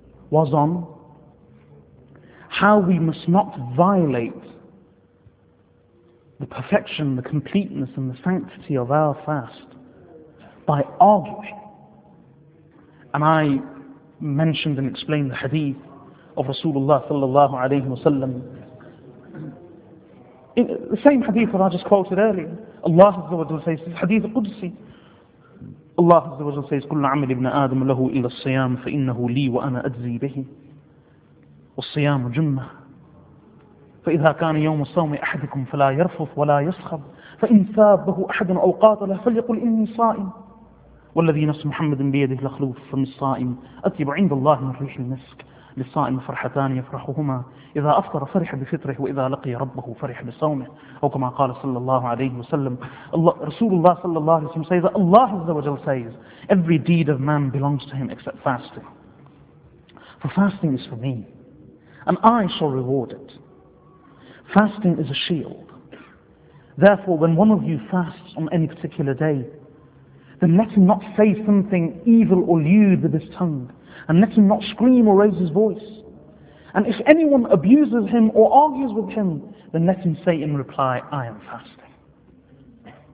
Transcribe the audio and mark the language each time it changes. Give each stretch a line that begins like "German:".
English: was on how we must not violate the perfection, the completeness and the sanctity of our fast by arguing. And I mentioned and explained the hadith of Rasulullah sallallahu alayhi wa sallam. The same hadith that I just quoted earlier, Allah azza wa jalla says, this hadith Qudsi. Allah Azza wa Jalla says,
Arabic: كل عمل ابن آدم له إلا الصيام فإنه لي وأنا أجزي به والصيام جنة فإذا كان يوم الصوم أحدكم فلا يرفث ولا يسخب فإن ثابه أحد أو قاتله فليقل إني صائم والذي نفس محمد بيده لخلوف فم الصائم أطيب عند الله من ريح المسك للصائم فرحتان يفرحهما إذا أفطر فرح بفطره وإذا لقي ربه فرح بصومه أو كما قال صلى الله عليه وسلم رسول الله صلى الله عليه وسلم
English: says that Allah Azza wa Jalla says every deed of man belongs to him except fasting. For fasting is for me. and I shall reward it. Fasting is a shield. Therefore, when one of you fasts on any particular day, then let him not say something evil or lewd with his tongue, and let him not scream or raise his voice. And if anyone abuses him or argues with him, then let him say in reply, I am fasting.